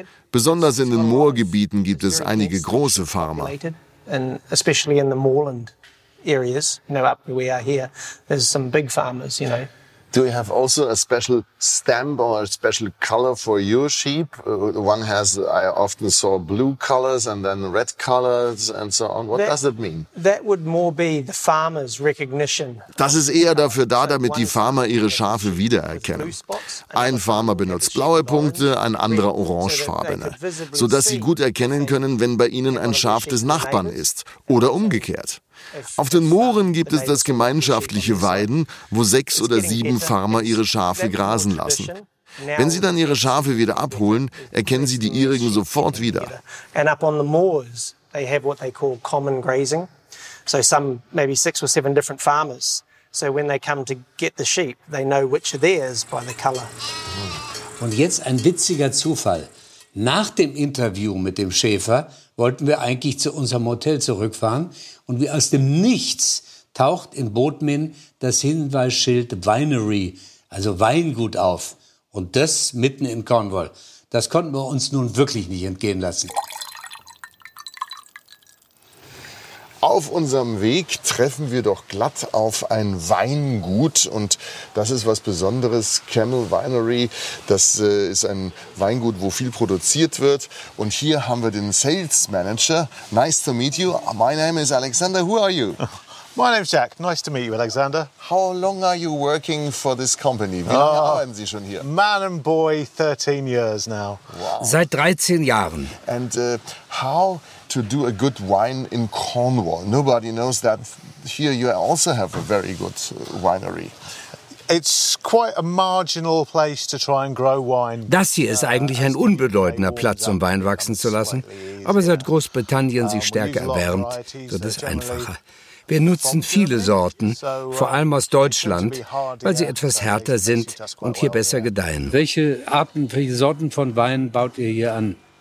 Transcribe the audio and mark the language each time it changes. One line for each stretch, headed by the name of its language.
German: Besonders in den Moorgebieten gibt es einige große Farmer.
English: And especially in the moorland areas, you know, up where we are here, there's some big farmers, you know. Do you have also a special stamp or a special color for your sheep? One has, I often saw blue colors and then red colors and so on. What does it mean? That would more be the farmer's recognition.
German: Das ist eher dafür da, damit die Farmer ihre Schafe wiedererkennen. Ein Farmer benutzt blaue Punkte, ein anderer orangefarbene, sodass sie gut erkennen können, wenn bei ihnen ein Schaf des Nachbarn ist oder umgekehrt. Auf den Mooren gibt es das gemeinschaftliche Weiden, wo 6 oder 7 Farmer ihre Schafe grasen lassen. Wenn sie dann ihre Schafe wieder abholen, erkennen sie die ihrigen sofort wieder.
English: And up on the moors, they have what they call common grazing. So some maybe 6 or 7 different farmers. So when they come to get the sheep, they know which are theirs by the color.
German: Und jetzt ein witziger Zufall. Nach dem Interview mit dem Schäfer wollten wir eigentlich zu unserem Hotel zurückfahren. Und wie aus dem Nichts taucht in Bodmin das Hinweisschild Winery, also Weingut, auf. Und das mitten in Cornwall. Das konnten wir uns nun wirklich nicht entgehen lassen. Auf unserem Weg treffen wir doch glatt auf ein Weingut und das ist was Besonderes, Camel Winery. Das ist ein Weingut, wo viel produziert wird und hier haben wir den Sales Manager.
English: Nice to meet you. My name is Alexander. Who are you? My name is Jack. Nice to meet you, Alexander. How long are you working for this company?
German: Wie lange arbeiten Sie schon hier?
English: Man and boy, 13 years now.
German: Wow. Seit 13 Jahren.
English: And how to do a good wine in Cornwall? Nobody knows that here you also have a very good winery. It's quite a marginal place to try and grow wine.
German: Das hier ist eigentlich ein unbedeutender Platz, um Wein wachsen zu lassen. Aber seit Großbritannien sich stärker erwärmt, wird es einfacher. Wir nutzen viele Sorten, vor allem aus Deutschland, weil sie etwas härter sind und hier besser gedeihen. Welche Arten, welche Sorten von Wein baut ihr hier an?